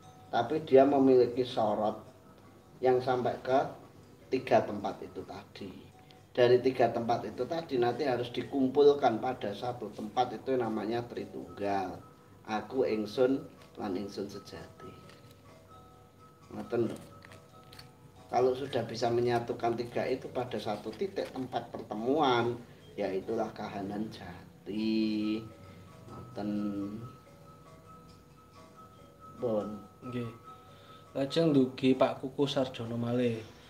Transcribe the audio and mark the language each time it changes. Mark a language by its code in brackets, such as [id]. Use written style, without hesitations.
[id] Tapi dia memiliki sorot yang sampai ke tiga tempat itu tadi. Dari tiga tempat itu tadi nanti harus dikumpulkan pada satu tempat itu namanya tritunggal. [jv] Aku ingsun lan ingsun sejati. Ngeten. [id] Kalau sudah bisa menyatukan tiga itu pada satu titik tempat pertemuan, yaitulah kahanan jati. [jv] Ngeten. Bon. Nggih. Lajeng dugi Pak Kuku Sarjono malih.